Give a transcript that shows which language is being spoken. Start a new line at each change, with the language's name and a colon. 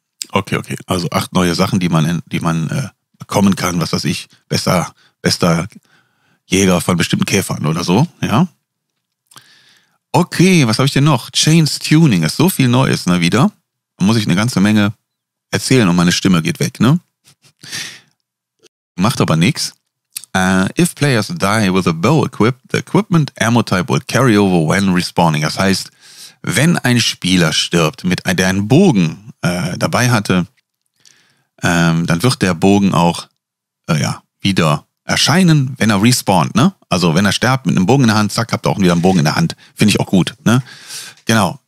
German: Okay, also 8 neue Sachen, die man bekommen kann, was weiß ich, bester Jäger von bestimmten Käfern oder so, ja. Okay, was habe ich denn noch? Chains Tuning ist so viel Neues, ne, wieder. Da muss ich eine ganze Menge erzählen und meine Stimme geht weg, ne? Macht aber nichts.
English: If players die with a bow equipped, the equipment ammo type will carry over when respawning.
German: Das heißt, wenn ein Spieler stirbt, mit der einen Bogen dabei hatte, dann wird der Bogen auch wieder erscheinen, wenn er respawnt, ne? Also wenn er stirbt mit einem Bogen in der Hand, zack, habt ihr auch wieder einen Bogen in der Hand. Finde ich auch gut, ne? Genau.